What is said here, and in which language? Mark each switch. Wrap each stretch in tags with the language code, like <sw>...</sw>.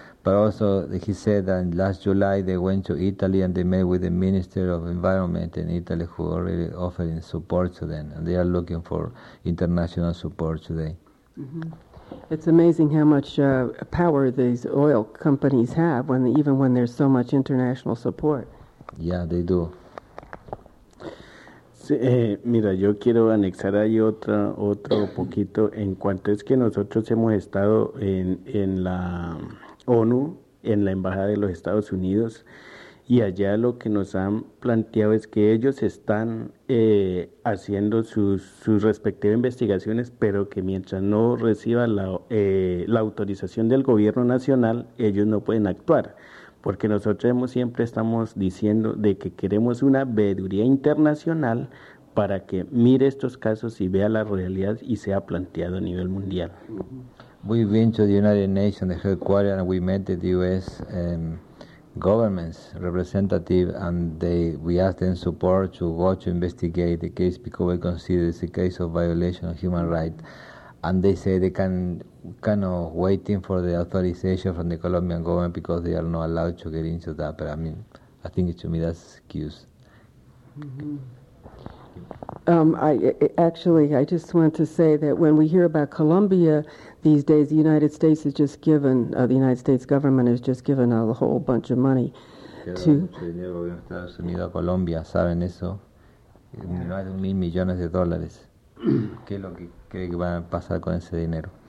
<en>But also he said that last July they went to Italy and they met with the Minister of Environment in Italy, who already offered support to them, and they are looking for international support today. Mm-hmm. It's amazing how much power these oil companies have when there's so much international support. Yeah, they do.</en> <es>Sí, mira, yo quiero anexar ahí otro poquito en cuanto es que nosotros hemos estado en la ONU, en la Embajada de los Estados Unidos, y allá lo que nos han planteado es que ellos están haciendo sus respectivas investigaciones, pero que mientras no reciba la autorización del gobierno nacional, ellos no pueden actuar. Porque nosotros siempre estamos diciendo de que queremos una veeduría internacional para que mire estos casos y vea la realidad y sea planteado a nivel mundial.</es> <en>We've been to the United Nations, the headquarters, and we met the U.S. government's representative, and we asked them support to go to investigate the case because we consider it's a case of violation of human rights. And they say they can kind of waiting for the authorization from the Colombian government because they are not allowed to get into that. But I mean, I think to me that's excuse. I just want to say that when we hear about Colombia these days, the United States has just given the United States government has just given a whole bunch of money to.</en> <es>Mucho dinero en Estados Unidos a Colombia, ¿saben eso? Más de 1.000 millones de dólares. ¿Qué es lo que cree que va a pasar con ese dinero?</es>